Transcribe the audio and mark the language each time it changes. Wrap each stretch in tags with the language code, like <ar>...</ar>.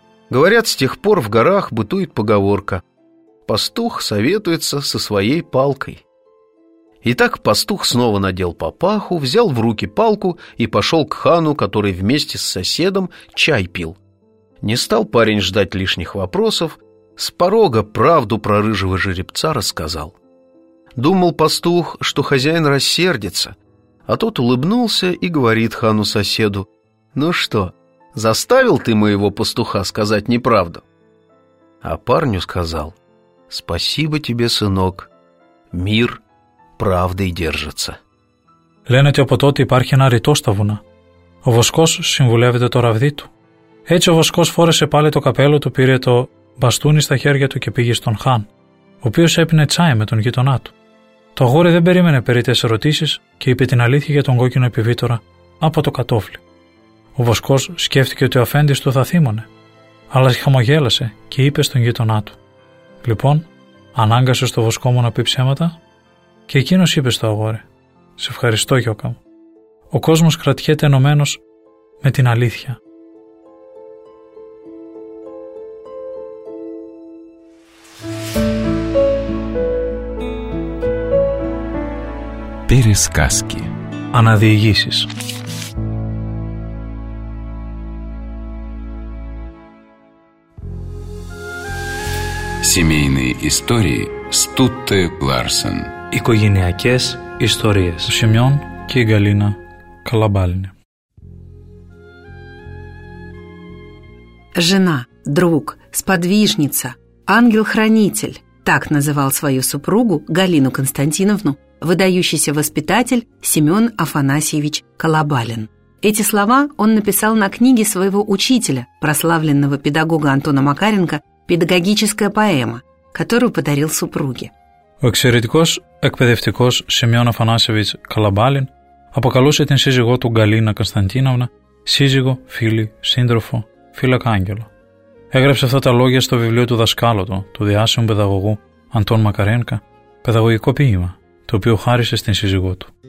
<ru>Говорят, с тех пор в горах бытует поговорка: «Пастух советуется со своей палкой». Итак, пастух снова надел папаху, взял в руки палку и пошел к хану, который вместе с соседом чай пил. Не стал парень ждать лишних вопросов, с порога правду про рыжего жеребца рассказал. Думал пастух, что хозяин рассердится, а тот улыбнулся и говорит хану соседу: «Ну что, заставил ты моего пастуха сказать неправду?» А парню сказал: «Спасибо тебе, сынок, мир правдой держится».</ru> <el>Λένε ότι από τότε υπάρχει ένα ρητό στα βουνά. Ο βοσκός συμβουλεύεται το ραβδί του. Έτσι ο βοσκός φόρεσε πάλι το καπέλο του, πήρε το μπαστούνι στα χέρια του και πήγε στον χάν, ο οποίος έπινε τσάι με τον γειτονά του. Το αγόρι δεν περίμενε περίτες ερωτήσεις και είπε την αλήθεια για τον κόκκινο επιβίτορα από το κατόφλι. Ο βοσκός σκέφτηκε ότι ο αφέντης του θα θύμωνε, αλλά χαμογέλασε και είπε στον γειτονά του: «Λοιπόν, ανάγκασε στο βοσκό μου να πει ψέματα?» Και εκείνος είπε στο αγόρι: «Σε ευχαριστώ, γιώκα μου. Ο κόσμος κρατιέται ενωμένος με την αλήθεια».</el> <ru>Пересказки.</ru> <el>Αναδιηγήσεις.</el> <ru>Семейные истории Стутте Ларсен.</ru> <el>Οικογενειακές ιστορίες. Ο Σημειών και η Γκαλίνα Καλαμπάλινε.</el> <ru>Жена, друг, сподвижница, ангел-хранитель. Так называл свою супругу Галину Константиновну выдающийся воспитатель Семен Афанасьевич Колобалин. Эти слова он написал на книге своего учителя, прославленного педагога Антона Макаренко, «Педагогическая поэма», которую подарил супруге.</ru> <el>Ο εξαιρετικός εκπαιδευτικός Семен Афанасьевич Колобалин αποκαλούσε την σύζυγό του Γκαλίνα Константиновна «σύζυγο, φίλη, σύντροφο, φύλακα άγγελο». Έγραψε αυτά τα λόγια στο βιβλίο του δασκάλου του, του διάσημου παιδαγωγού Αντών Μακαρένκα, «Παιδαγωγικό ποίημα», το οποίο χάρισε στην σύζυγό του.</el>